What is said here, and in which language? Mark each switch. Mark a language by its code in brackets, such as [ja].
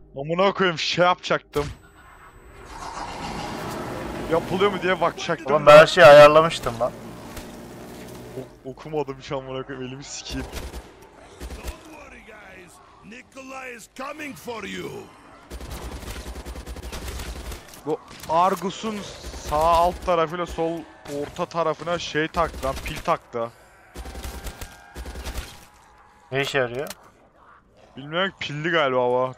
[tr] Amınak oyum, şey yapacaktım. Yapılıyor mu diye bakacaktım. Oğlum ben her şeyi ayarlamıştım lan. Okumadım hiç amınak oyum, elimi sikiyim. [en] Don't worry guys. Nikolai is coming for you. [tr] Bu Argus'un sağ alt tarafıyla sol orta tarafına şey taktı lan, pil taktı. Ne işe yarıyor? Bilmiyorum, pilli galiba o.